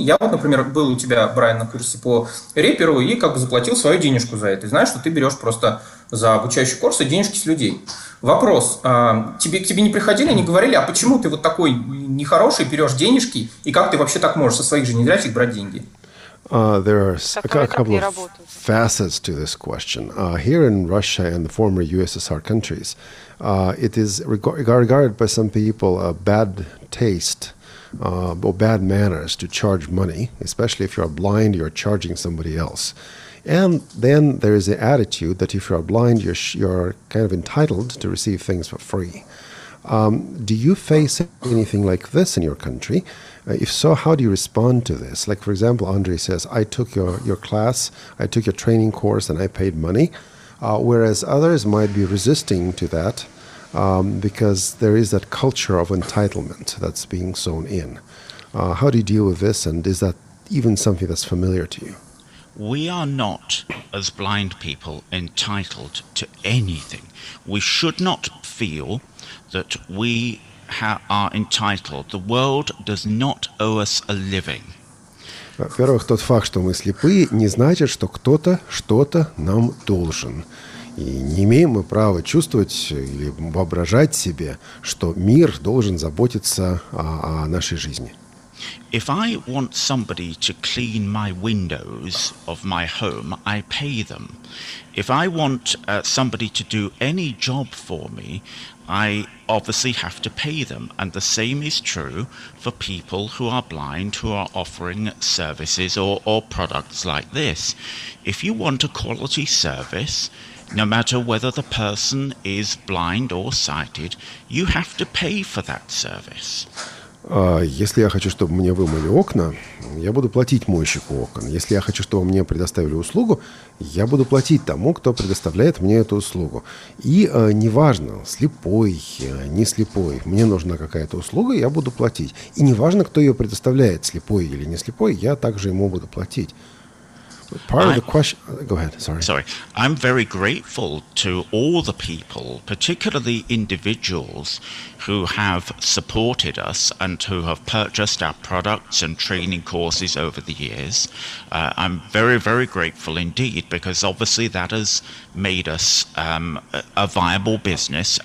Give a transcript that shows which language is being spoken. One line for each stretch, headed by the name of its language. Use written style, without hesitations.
Russian: Я вот, например, был у тебя, Брайан, на курсе по реперу и как бы заплатил свою денежку за это. И знаешь, что ты берешь просто за обучающие курсы денежки с людей. Вопрос, к тебе не приходили, не говорили, а почему ты вот такой нехороший берешь денежки, и как ты вообще так можешь со своих же незрячих брать деньги?
English: There are a couple of facets to this question. Here in Russia and the former USSR countries, it is regarded by some people a bad taste or bad manners to charge money, especially if you're blind, you're charging somebody else. And then there is the attitude that if you're blind, you're kind of entitled to receive things for free. Do you face anything like this in your country? If so, how do you respond to this? Like, for example, Andre says, I took your class, I took your training course, and I paid money. Whereas others might be resisting to that because there is that culture of entitlement that's being sown in. How do you deal with this, and is that even something that's familiar to you? We are not, as blind people, entitled to anything. We should not feel that we are entitled. The world does not owe us a living.
Russian: Во-первых, тот факт, что мы слепые, не значит, что кто-то что-то нам должен. И не имеем мы права чувствовать или воображать себе, что мир должен заботиться о нашей жизни.
English: If I want somebody to clean my windows of my home, I pay them. If I want somebody to do any job for me, I obviously have to pay them. And the same is true for people who are blind who are offering services or products like this. If you want a quality service, no matter whether the person is blind or sighted, you have to pay for that service.
Russian: Если я хочу, чтобы мне вымыли окна, я буду платить мойщику окон. Если я хочу, чтобы мне предоставили услугу, я буду платить тому, кто предоставляет мне эту услугу. И неважно, слепой, не слепой, мне нужна какая-то услуга, я буду платить. И неважно, кто ее предоставляет, слепой или не слепой, я также ему буду платить.
English: Part of the question. Go ahead. Sorry. Sorry. I'm very grateful to all the people, particularly individuals, who have supported us and who have purchased our products and training courses over the years. I'm very, very grateful indeed, because obviously that has made us a viable business.